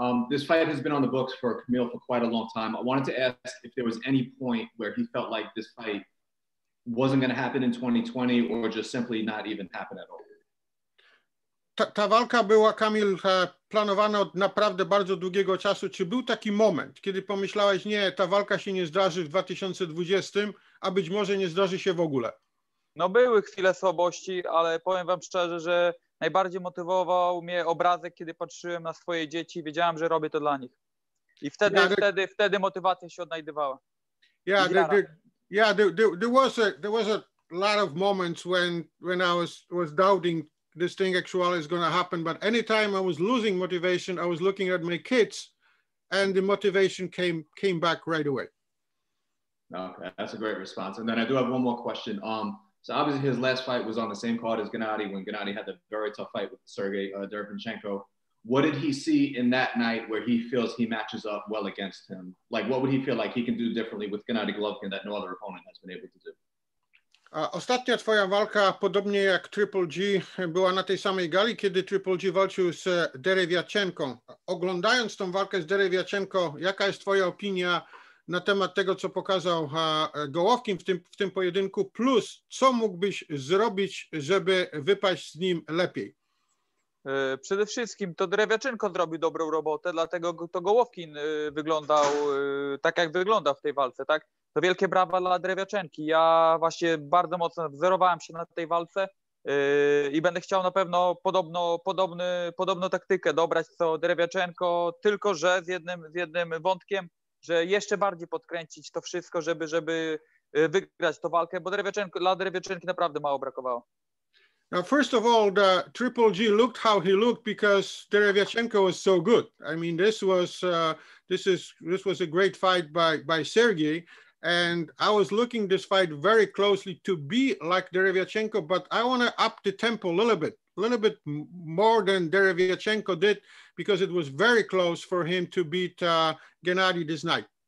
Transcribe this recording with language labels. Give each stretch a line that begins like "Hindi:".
English: This fight has been on the books for Kamil for quite a long time. I wanted to ask if there was any point where he felt like this fight wasn't going to happen in 2020 or just simply not even happen at all.
Polish: Ta walka była, Kamil, planowana od naprawdę bardzo długiego czasu. Czy był taki moment, kiedy pomyślałeś, nie, ta walka się nie zdarzy w 2020, a być może nie zdarzy się w ogóle? No były chwile słabości, ale powiem wam szczerze, że najbardziej motywował mnie obrazek, kiedy patrzyłem na swoje dzieci, wiedziałem, że robię to dla nich. I wtedy, wtedy motywacja się odnajdywała.
English: There was a lot of moments when I was doubting this thing actually is going to happen, but anytime I was losing motivation, I was looking at my kids and the motivation came back right away. Okay, that's a great response. And then I do have one more question. So obviously his last fight was on the same card as Gennady when Gennady had the very tough fight with Sergey Derevyanchenko. What did he see in that night where he feels he matches up well against him? Like, what would he feel like he can do differently with Gennady Golovkin that no other opponent has been able to do?
Polish: Ostatnia twoja walka, podobnie jak Triple G, była na tej samej gali, kiedy Triple G walczył z Derevyanchenko. Oglądając tą walkę z Derevyanchenko, jaka jest twoja opinia na temat tego, co pokazał Golovkin w tym pojedynku, plus co mógłbyś zrobić, żeby wypaść z nim lepiej? Przede wszystkim to Derevyanchenko zrobił dobrą robotę, dlatego to Golovkin wyglądał tak, jak wyglądał w tej walce. Tak? To wielkie brawa dla Derevyanchenki. Ja właśnie bardzo mocno wzorowałem się na tej walce i będę chciał na pewno podobną taktykę dobrać co Derevyanchenko, tylko że z jednym wątkiem, że jeszcze bardziej podkręcić to wszystko, żeby wygrać tę walkę, bo dla Derevyanchenki naprawdę mało brakowało.
English: Now, first of all, the Triple G looked how he looked because Derevyanchenko was so good. I mean, this was a great fight by Sergey, and I was looking this fight very closely to be like Derevyanchenko, but I want to up the tempo a little bit more than Derevyanchenko did, because it was very close for him to beat Gennady this night.